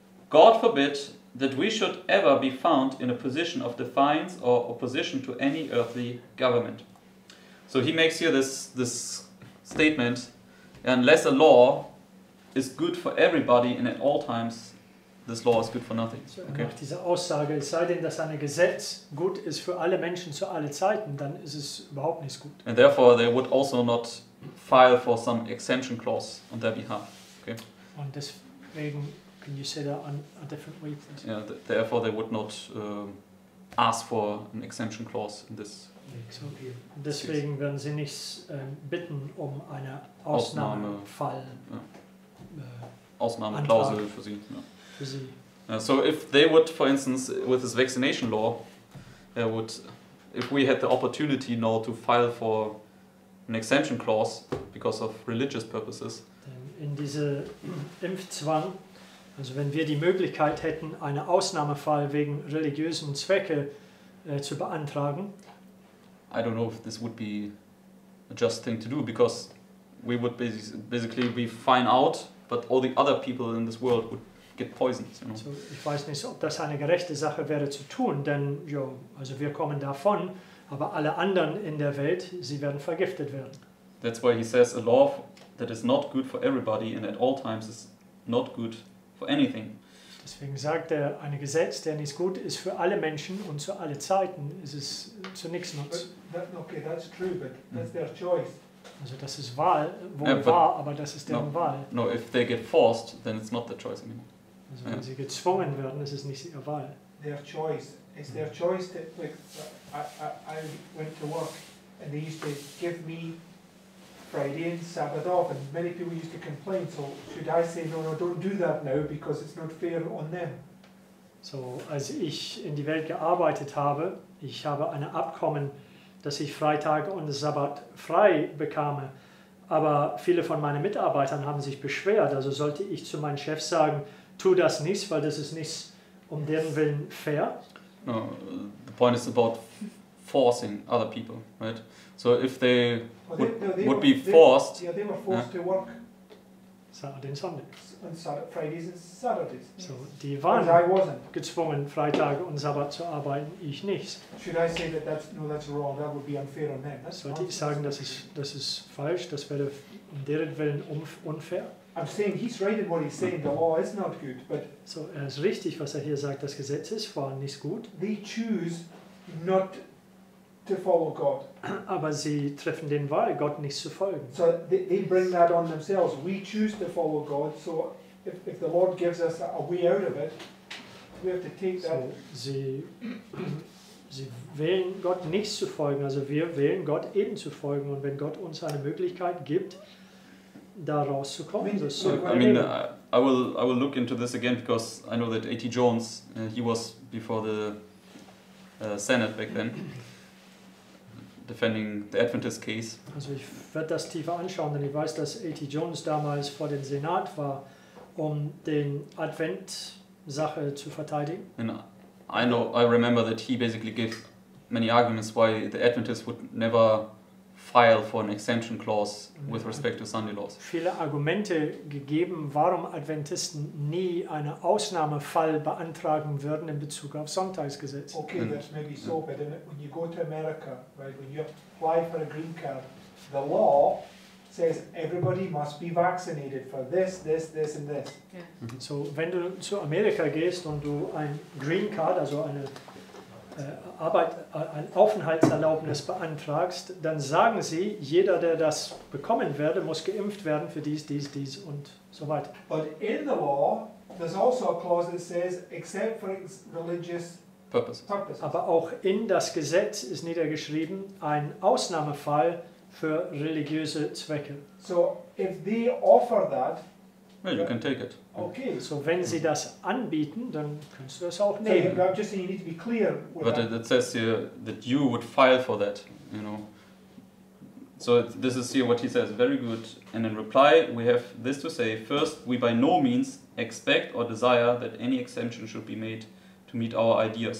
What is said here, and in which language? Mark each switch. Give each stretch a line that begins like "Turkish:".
English: God forbid that we should ever be found in a position of defiance or opposition to any earthly government. So he makes here this statement, unless a law is good for everybody and at all times, this law is good for nothing.
German: So okay. Er macht diese Aussage, es sei denn, dass ein Gesetz gut ist für alle Menschen zu alle Zeiten, dann ist es überhaupt nicht gut.
English: And therefore they would also not file for some exemption clause on their behalf. Okay.
German: Und deswegen,
English: can you say that on a different way? Yeah, therefore they would not ask for an exemption clause in this. So, okay.
German: Deswegen werden sie nicht bitten um eine Ausnahmefall. Ausnahmeklausel für sie. Ja. Für sie.
English: So if they would, for instance, with this vaccination law, would, if we had the opportunity now to file for an exemption clause because of religious purposes.
German: In diese Impfzwang, also wenn wir die Möglichkeit hätten, eine Ausnahmefall wegen religiösen Zwecke zu beantragen.
English: I don't know if this would be a just thing to do, because we would basically be fine out, but all the other people in this world would get poisoned. You know?
German: So, ich weiß nicht, ob das eine gerechte Sache wäre zu tun, denn jo, also wir kommen davon, aber alle anderen in der Welt, sie werden vergiftet werden.
English: That's why he says a law that is not good for everybody and at all times is not good for anything.
German: Deswegen sagt er, ein Gesetz, der nicht gut ist für alle Menschen und zu alle Zeiten, ist es zu nichts nutz.
English: Okay, that's true, but that's their choice.
German: Also das ist Wahl, aber das ist deren Wahl.
English: No, if they get forced, then it's not their choice anymore.
German: Also wenn sie gezwungen werden, ist es nicht ihre Wahl.
English: Their choice. It's their choice that, like, I went to work and they used to give me Friday and Sabbath off, and many people used to complain, so should I say no, don't do that now, because it's not fair on them.
German: So, als ich in die Welt gearbeitet habe, ich habe ein Abkommen, dass ich Freitag und Sabbat frei bekame, aber viele von meinen Mitarbeitern haben sich beschwert, also sollte ich zu meinem Chef sagen, tu das nicht, weil das ist nicht um deren Willen fair.
English: No, the point is about forcing other people, right? So if they would be forced... They were forced to work Saturday and Sunday. And Fridays and Saturdays.
German: So die waren
English: I wasn't.
German: Gezwungen, Freitag und Sabbat zu arbeiten, ich nicht.
English: Should I say that that's wrong, that would be unfair on them?
German: Sollte ich sagen, das ist falsch, das wäre um deren Willen unfair?
English: I'm saying he's right in what he's saying, the law is not good, but...
German: So er ist richtig, was er hier sagt, das Gesetz ist vor allem nicht gut.
English: They choose not... To follow God.
German: Aber sie treffen den Wahl, Gott nicht zu folgen.
English: So they bring that on themselves. We choose to follow God. So if the Lord gives us a way out of it, we have to take that.
German: So sie wählen Gott nicht zu folgen. Also wir wählen Gott eben zu folgen. Und wenn Gott uns eine Möglichkeit gibt, da rauszukommen, so sollen wir.
English: I mean, I will look into this again, because I know that A.T. Jones, he was before the Senate back then. Defending the Adventist case.
German: Also ich werde das tiefer anschauen, denn ich weiß, dass A.T. Jones damals vor dem Senat war, um den Advent-Sache zu verteidigen.
English: And I remember that he basically gave many arguments why the Adventists would never file for an exemption clause with respect to Sunday laws.
German: Viele Argumente gegeben, warum Adventisten nie einen Ausnahmefall beantragen würden in Bezug auf Sonntagsgesetz.
English: Okay, that may be so, but when you go to America, right, when you apply for a green card, the law says everybody must be vaccinated for this, and this. Yeah.
German: So, wenn du zu Amerika gehst und du ein Green Card, also eine Arbeit, ein Aufenthaltserlaubnis beantragst, dann sagen sie, jeder, der das bekommen werde, muss geimpft werden für dies und so weiter.
English: But in the law, there's also a clause that says, except for religious purposes.
German: Aber auch in das Gesetz ist niedergeschrieben, ein Ausnahmefall für religiöse Zwecke.
English: So, if they offer that, well, you can take it. Okay.
German: So wenn sie das anbieten, dann kannst du das auch nehmen.
English: I'm just saying you need to be clear. But it says here that you would file for that, you know. So this is here what he says. Very good. And in reply, we have this to say. First, we by no means expect or desire that any exemption should be made to meet our ideas.